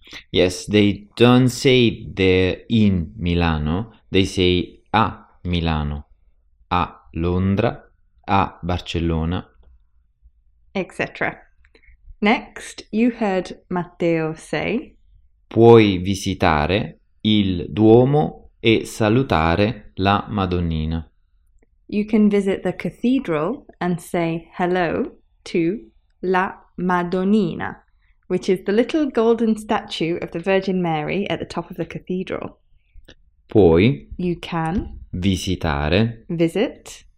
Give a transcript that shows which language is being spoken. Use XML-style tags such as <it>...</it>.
<en>Yes, they don't say they're in Milano. They say</en> <it>a Milano. A Londra. A Barcellona,</it> <en>etc. Next, you heard Matteo say,</en> <it>puoi visitare il Duomo e salutare la Madonnina.</it> <en>You can visit the cathedral and say hello to la Madonnina, which is the little golden statue of the Virgin Mary at the top of the cathedral.</en> <it>Puoi,</it> <en>you can,</en> <it>visitare,</it> <en>visit,</en>